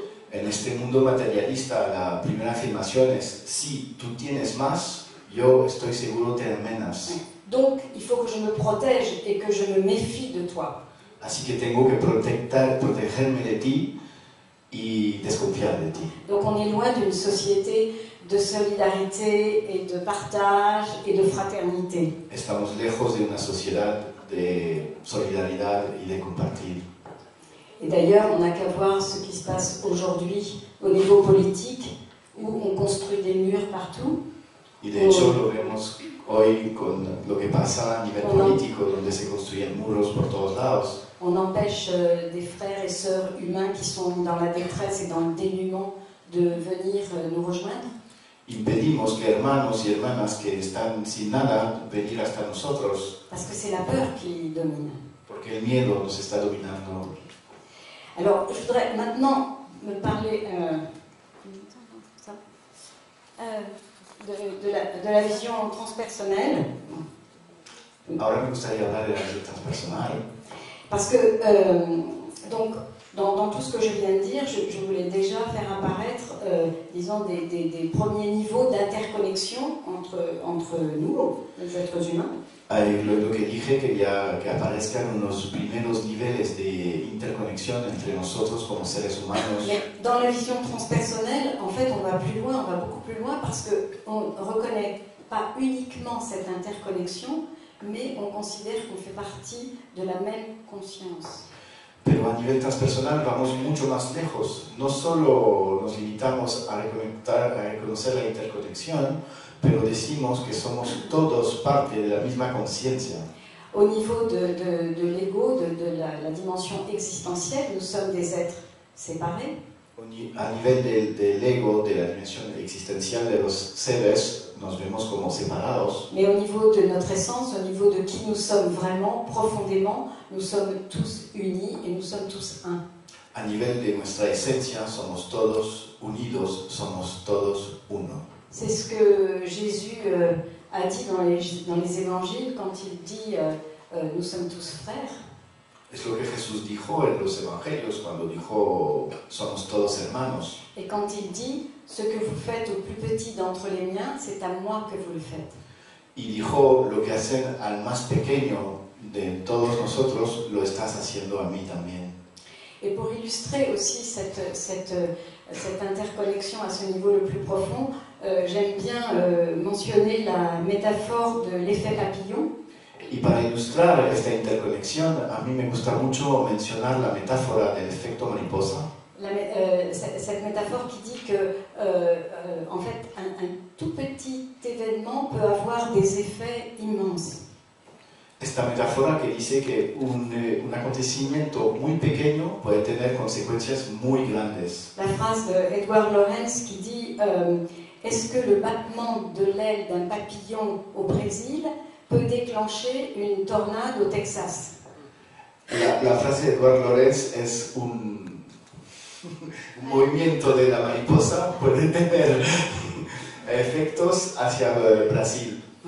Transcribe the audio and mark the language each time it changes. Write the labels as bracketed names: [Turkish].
[Spanish] En este mundo materialista, la primera afirmación es si tú tienes más, yo estoy seguro de tener menos. [French] Donc il faut que je me protège et que je me méfie de toi. [Spanish] Así que tengo que protegerme de ti y desconfiar de ti. [French] Donc on est loin d'une société de solidarité et de partage et de fraternité. [Spanish] Estamos lejos de una sociedad de solidaridad y de compartir. [French] Et d'ailleurs, on n'a qu'à voir ce qui se passe aujourd'hui au niveau politique, où on construit des murs partout. [Spanish] Y de hecho, lo vemos hoy con lo que pasa a nivel político, donde se construyen muros por todos lados. [French] On empêche des frères et sœurs humains qui sont dans la détresse et dans le dénuement de venir nous rejoindre. [Spanish] Impedimos que hermanos y hermanas que están sin nada venir hasta nosotros. [French] Parce que c'est la peur qui domine. [Spanish] Porque el miedo nos está dominando. [French] Alors, je voudrais maintenant me parler de la vision transpersonnelle. [Spanish] Ahora me gustaría hablar de [French] la vision transpersonnelle. Parce que, donc, dans tout ce que je viens de dire, je voulais déjà faire apparaître, disons, des premiers niveaux d'interconnexion entre nous, les êtres humains. [Spanish] Avec lo que dije, quería que aparezcan unos primeros niveles de interconexión entre nosotros como seres humanos. [French] Mais dans la vision transpersonnelle, en fait, on va plus loin, on va beaucoup plus loin, parce qu'on ne reconnaît pas uniquement cette interconnexion, mais on considère qu'on fait partie de la même conscience. [Spanish] Pero a nivel transpersonal vamos mucho más lejos. No solo nos limitamos a reconocer la interconexión, pero decimos que somos todos parte de la misma conciencia. [French] Au niveau de l'ego, de la dimension existentielle, nous sommes des êtres séparés. [Spanish] A nivel del ego, de la dimensión existencial de los seres, nos vemos como separados. [French] Mais au niveau de notre essence, au niveau de qui nous sommes vraiment, profondément, nous sommes tous unis et nous sommes tous un. [Spanish] A nivel de nuestra esencia, somos todos unidos, somos todos uno. [French] C'est ce que Jésus a dit dans les évangiles quand il dit nous sommes tous frères. [Spanish] Es lo que Jesús dijo en los evangelios cuando dijo somos todos hermanos. [French] Et quand il dit ce que vous faites au plus petit d'entre les miens, c'est à moi que vous le faites. [Spanish] Y dijo lo que hacen al más pequeño de todos nosotros lo estás haciendo a mí también. [French] Et pour illustrer aussi cette interconnexion à ce niveau le plus profond, j'aime bien mentionner la métaphore de l'effet papillon. Et pour illustrer cette interconnexion, [Spanish] a mí me gusta mucho mencionar la metáfora del efecto mariposa. [French] Cette métaphore qui dit que, en fait, un tout petit événement peut avoir des effets immenses. [Spanish] Esta metáfora que dice que un acontecimiento muy pequeño puede tener consecuencias muy grandes. La frase de [French] Edward Lawrence qui dit est-ce que le battement de l'aile d'un papillon au Brésil peut déclencher une tornade au Texas? [Spanish] La frase de Edward Lawrence es un un movimiento de la mariposa puede tener efectos hacia Brasil.